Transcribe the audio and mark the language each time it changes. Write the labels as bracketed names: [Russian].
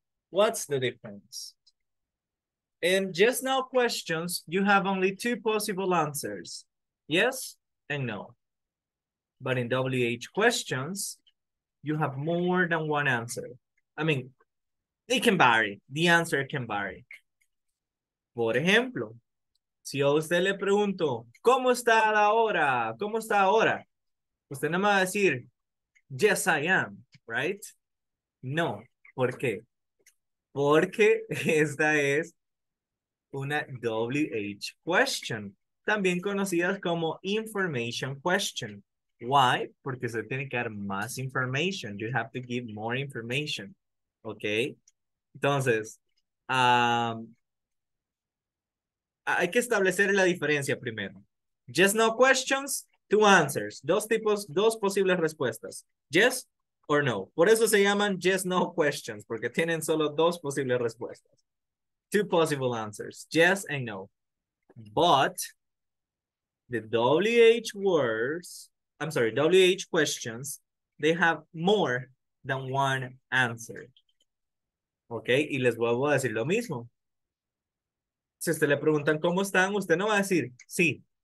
[English] What's the difference? In just no questions, you have only two possible answers, yes and no. But in WH questions, you have more than one answer. I mean, it can vary. The answer can vary. [Spanish] Por ejemplo, si a usted le pregunto, ¿cómo está la hora? ¿Cómo está ahora? Usted no me va a decir, [English] yes, I am, right? [Spanish] No. ¿Por qué? Porque esta es una WH question, también conocida como information question. [English] Why? [Spanish] Porque usted tiene que dar más information. [English] You have to give more information. [Spanish] ¿Ok? Entonces, hay que establecer la diferencia primero. [English] Just no questions, two answers. [Spanish] Dos tipos, dos posibles respuestas. [English] Yes or no. [Spanish] Por eso se llaman just no questions, porque tienen solo dos posibles respuestas. [English] Two possible answers, yes and no. But the WH words, I'm sorry, WH questions, they have more than one answer. [Spanish] Okay, y les vuelvo a decir lo mismo. Si usted le preguntan cómo están, usted no va a decir sí.